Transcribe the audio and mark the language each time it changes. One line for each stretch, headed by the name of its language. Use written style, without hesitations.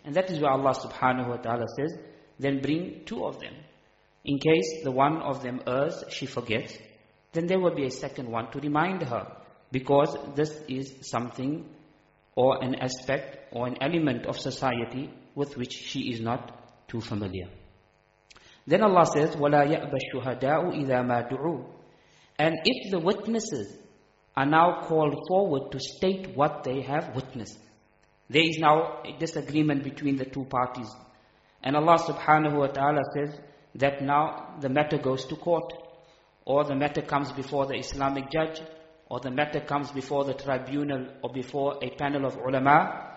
English: And that is why Allah subhanahu wa ta'ala says, then bring two of them. In case the one of them errs, she forgets, then there will be a second one to remind her. Because this is something or an aspect or an element of society with which she is not too familiar. Then Allah says,
Arabic: وَلَا يَأْبَ الشُّهَدَاءُ إِذَا مَا دُعُوا.
English: And if the witnesses are now called forward to state what they have witnessed, there is now a disagreement between the two parties. And Allah subhanahu wa ta'ala says that now the matter goes to court, or the matter comes before the Islamic judge, or the matter comes before the tribunal, or before a panel of ulama.